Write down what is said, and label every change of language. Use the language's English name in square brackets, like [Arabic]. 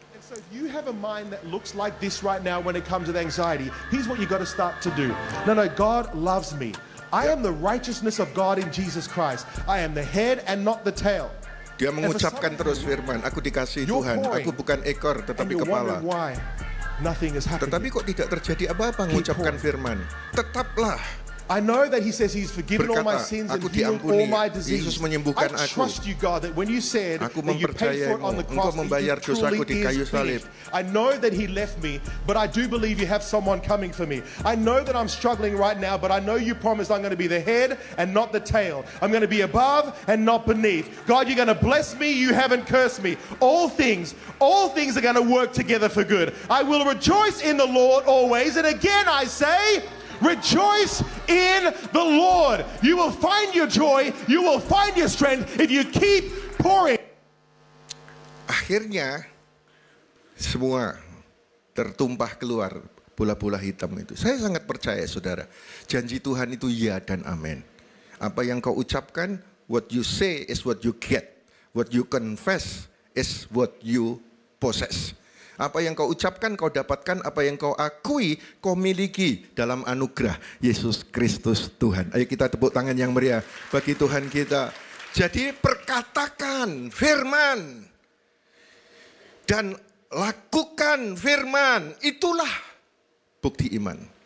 [English] So you have a mind that looks like this right now when it comes to anxiety. Here's what you got to start to do. No, God loves me. I am the righteousness of God in Jesus Christ. I am the head and not the tail. [Indonesian] Dia mengucapkan terus firman, aku dikasihi Tuhan, aku bukan ekor tetapi kepala. [English] Why nothing is happening. [Indonesian] Tetapi kok tidak terjadi apa-apa mengucapkan firman. Tetaplah. [English] I know that he says he's forgiven [Indonesian] berkata, [English] all my sins and healed all my diseases. [Indonesian] Yesus menyembuhkan aku. [English] I trust you God that when you said [Indonesian] aku mempercayai engkau membayar dosaku di kayu salib. [English] I know that he left me, but I do believe you have someone coming for me. I know that I'm struggling right now, but I know you promised I'm going to be the head and not the tail. I'm going to be above and not beneath. God, you're going to bless me, you haven't cursed me. All things are going to work together for good. I will rejoice in the Lord always, and again I say rejoice in the Lord. You will find your joy, you will find your strength if you keep pouring. [Indonesian] Akhirnya semua tertumpah keluar bola-bola hitam itu. Saya sangat percaya saudara, janji Tuhan itu ya dan amin. Apa yang kau ucapkan, [English] what you say is what you get. What you confess is what you possess. [Indonesian] Apa yang kau ucapkan, kau dapatkan. Apa yang kau akui, kau miliki dalam anugerah Yesus Kristus Tuhan. Ayo kita tepuk tangan yang meriah bagi Tuhan kita. Jadi perkatakan firman. Dan lakukan firman. Itulah bukti iman.